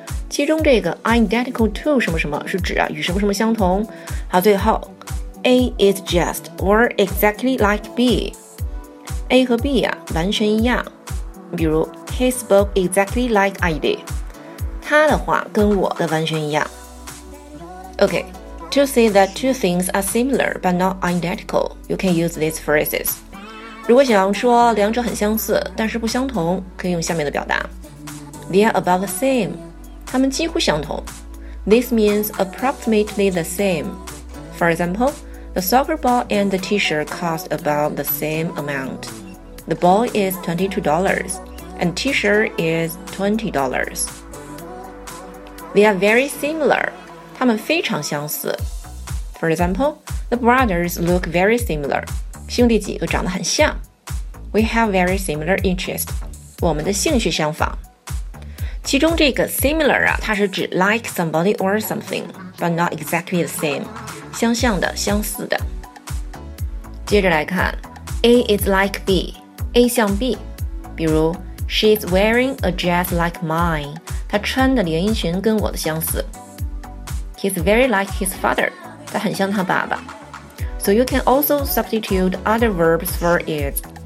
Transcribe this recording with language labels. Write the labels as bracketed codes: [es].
[zh] 其中这个 identical to 什么什么是指、与什么什么相同。好，最后 [en] A is just or exactly like B. [zh] A 和 B、完全一样。比如 [en] He spoke exactly like I did. [zh] 他的话跟我的完全一样。 [en] Okay, to say that two things are similar but not identical, you can use these phrases. [zh] 如果想说两者很相似但是不相同，可以用下面的表达。 [en] They are about the same. [zh] 他们几乎相同。 [en] This means approximately the same. For example, the soccer ball and the t-shirt cost about the same amount. The ball is $22 and t-shirt is $20. They are very similar. [zh] 他们非常相似。 [en] For example, the brothers look very similar. [zh] 兄弟几个长得很像。 [en] We have very similar interests. [zh] 我们的兴趣相仿。其中这个 similar 它是指 [en] like somebody or something, but not exactly the same. [zh] 相像的，相似的。接着来看 [en] A is like B. [zh] A 像 B. [en] 比如 She is wearing a dress like mine. [zh] 她穿的连衣裙跟我的相似。 [en] He's very like his father. [zh] 他很像他爸爸。 [en] So you can also substitute other verbs for it.